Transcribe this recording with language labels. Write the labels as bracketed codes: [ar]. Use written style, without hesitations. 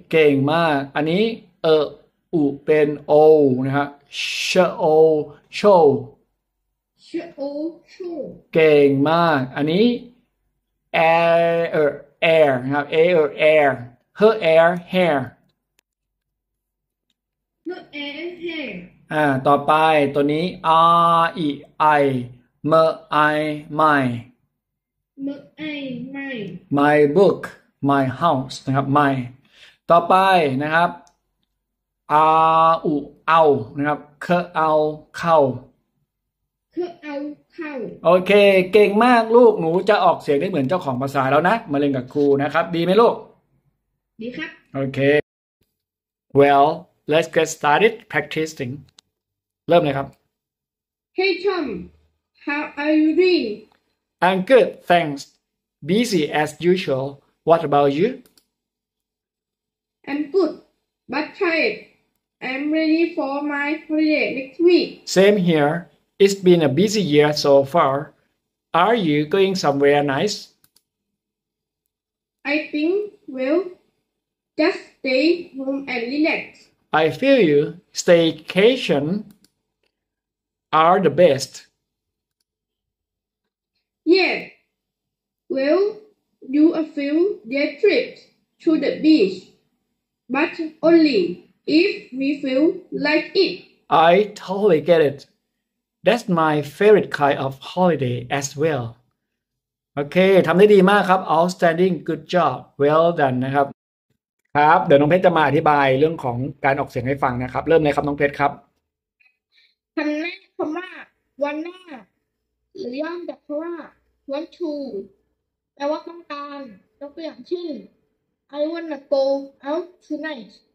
[th] เก่งมากอันนี้เอออุเป็นโอนะครับเชโอโช เชโอโช เก่งมากอันนี้แอร์แอร์นะครับเอเออร์แอร์เฮอร์แอร์แฮร์ เนอแอร์แฮร์ ต่อไปตัวนี้ R E I M I my เมอไอไม่ [en] my book my house [th] นะครับ my ต่อไปนะครับ R U เอานะครับ K เอาเข้า คือเอาเข้า โอเคเก่งมากลูกหนูจะออกเสียงได้เหมือนเจ้าของภาษาแล้วนะมาเรียนกับครูนะครับดีไหมลูก ดีครับ [en] โอเค well let's get started practicing [th] เริ่มเลยครับ [en] Hey Tom how are you doing I'm good thanks busy as usual what about you I'm good but tired I'm ready for my project next week same hereIt's been a busy year so far. Are you going somewhere nice? I think we'll just stay home and relax. I feel you. Staycation are the best. Yeah. We'll do a few day trips to the beach, but only if we feel like it. I totally get it. That's my favorite kind of holiday as well. Okay, [th] ทำได้ดีมากครับ [en] Outstanding, good job, well done [th] นะครับครับเดี๋ยวน้องเพชรจะมาอธิบายเรื่องของการออกเสียงให้ฟังนะครับเริ่มเลยครับน้องเพชรครับ คำแรกคำว่า want หน้าหรือย่อมจากคำว่า want to แปลว่าต้องการยกตัวอย่างเช่น [en] I want to go out tonight.